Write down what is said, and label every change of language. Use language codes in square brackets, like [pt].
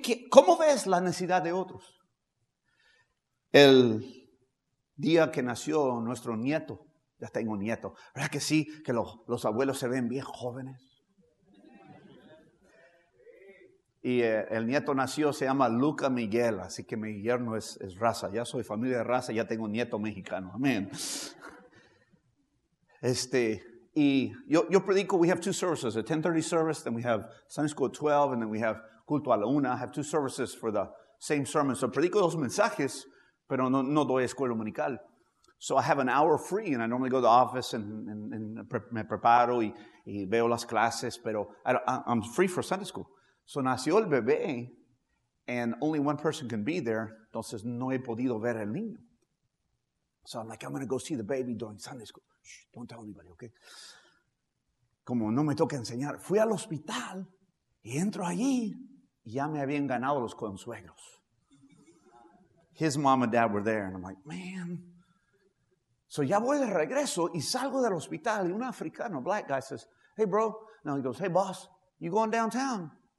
[es] ¿Cómo ves la necesidad de otros? El día que nació nuestro nieto, ya tengo un nieto, ¿verdad que sí? Que los abuelos se ven bien jóvenes. Y el nieto nació, se llama Luca Miguel, así que mi yerno es raza. Ya soy familia de raza, ya tengo nieto mexicano. Amén. Y yo predico, [en] we have two services, a 10:30 service, then we have Sunday School at 12, and then we have [es] culto a la una. [en] I have two services for the same sermon. [es] So predico dos mensajes, pero no doy escuela dominical. [en] So I have an hour free, and I normally go to the office and [es] me preparo y veo las clases, pero [en] I'm free for Sunday School. So [es] nació el bebé, [en] and only one person can be there. [es] Entonces, no he podido ver el niño. [en] So I'm like, I'm going to go see the baby during Sunday School. Shh, don't tell anybody, okay? [es] Como no me toca enseñar, fui al hospital, y entro allí, y ya me habían ganado los consuegros. [en] His mom and dad were there, and I'm like, man. So [es] ya voy de regreso, y salgo del hospital, y un africano, [en] black guy, says, hey, bro. No, he goes, hey, boss, you going downtown?